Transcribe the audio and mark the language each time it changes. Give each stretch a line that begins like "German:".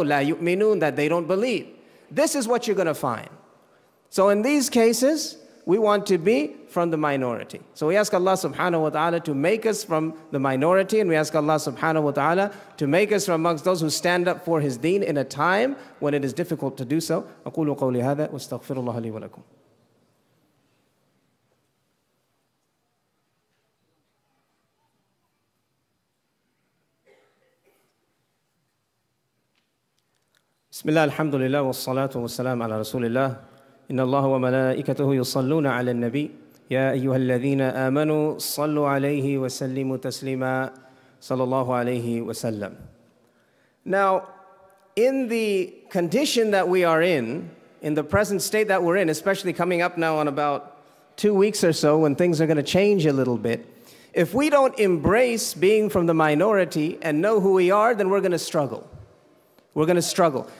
English: La yu'minun, that they don't believe. This is what you're going to find. So in these cases, we want to be from the minority. So we ask Allah subhanahu wa ta'ala to make us from the minority, and we ask Allah subhanahu wa ta'ala to make us from amongst those who stand up for His deen in a time when it is difficult to do so.
Arabic: أقول قولي هذا واستغفر الله لي ولكم. بسم الله الحمد لله والصلاة والسلام على رسول الله إن الله وملائكته يصلون على النبي يا أيها الذين آمنوا صلوا عليه وسلموا تسليما صلى الله عليه وسلم.
English: Now in the condition that we are in the present state that we're in, especially coming up now on about 2 weeks or so when things are going to change a little bit, if we don't embrace being from the minority and know who we are, then we're going to struggle. We're going to struggle.